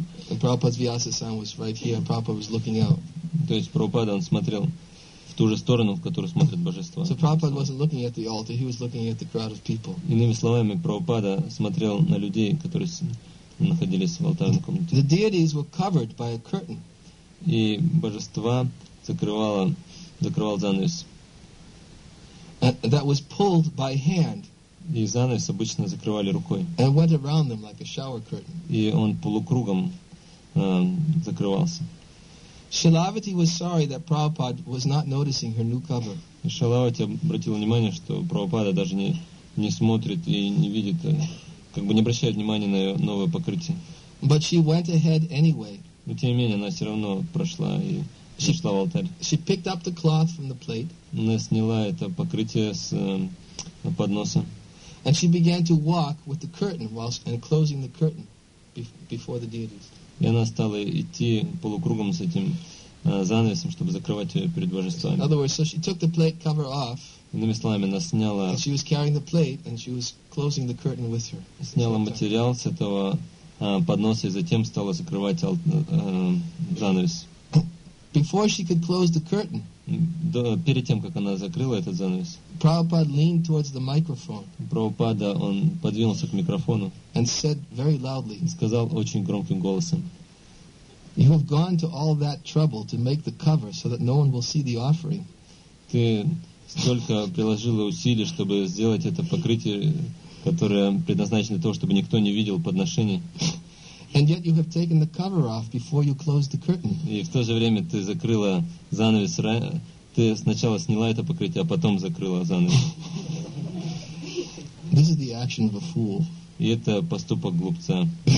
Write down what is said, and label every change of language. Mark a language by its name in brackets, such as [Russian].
[English] And Prabhupada's Vyasasan was right here, and Prabhupada was looking out. [Russian] То есть Прабхупада он смотрел в ту же сторону, в которую смотрит божество. [English] So Prabhupada wasn't looking at the altar, he was looking at the crowd of people. [Russian] Иными словами, Прабхупада смотрел на людей, которые находились в алтарной комнате. [English] The deities were covered by a curtain. [Russian] И божество закрывал занавес. [English] And that was pulled by hand. [Russian] И занавес обычно закрывали рукой. [English] And went around them like a shower curtain. [Russian] И он полукругом закрывался. [English] Shilavati was sorry that Prabhupada was not noticing her new cover. [Russian] И Шилавати обратил внимание, что Прабхупада даже не смотрит и не видит, как бы не обращает внимания на ее новое покрытие. [English] But she went ahead anyway. [Russian] Но тем не менее она все равно прошла и зашла в алтарь. [English] She picked up the cloth from the plate. [Russian] Она сняла это покрытие с подноса. [English] And she began to walk with the curtain whilst enclosing the curtain before the deities. [Russian] И она стала идти полукругом с этим занавесом, чтобы закрывать ее перед божествами. [English] In other words, so she took the plate cover off. [Russian] Иными словами, она сняла. [English] And she was carrying the plate, and she was closing the curtain with her. [Russian] Сняла материал с этого подноса и затем стала закрывать занавес. [English] Before she could close the curtain. [Russian] Перед тем, как она закрыла этот занавес, [English] Prabhupada leaned towards the microphone. [Russian] Прабхупада, он подвинулся к микрофону. [English] And said very loudly. [Russian] Сказал очень громким голосом. [English] You have gone to all that trouble to make the cover so that no one will see the offering. [Russian] Ты столько приложила усилий, чтобы сделать это покрытие, которое предназначено для того, чтобы никто не видел подношение. [English] And yet you have taken the cover off before you closed the curtain. [Russian] И в то же время ты закрыла занавес. Ты сначала сняла это покрытие, а потом закрыла занавес. [English] This is the action of a fool. [Russian] И это поступок глупца.